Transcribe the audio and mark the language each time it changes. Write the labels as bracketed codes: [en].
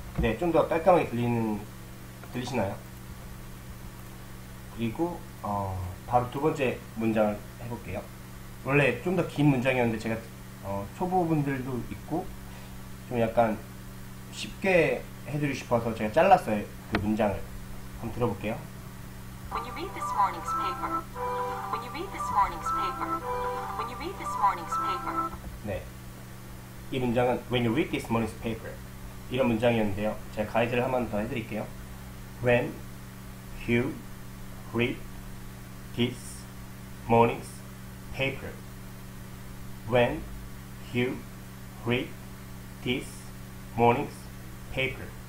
[ko] 네, 좀 더 깔끔하게 들리시나요? 그리고 바로 두 번째 문장을 해볼게요. 원래 좀 더 긴 문장이었는데 제가 초보분들도 있고 좀 약간 쉽게 해드리고 싶어서 제가 잘랐어요, 그 문장을. 한번 들어볼게요. [en] When you read this morning's paper, when you read this morning's paper, when you read this morning's paper. [ko] 네, 이 문장은 [en] When you read this morning's paper. [ko] 이런 문장이었는데요. 제가 가이드를 한 번 더 해드릴게요. [en] When you read this morning's paper. When you read this morning's paper.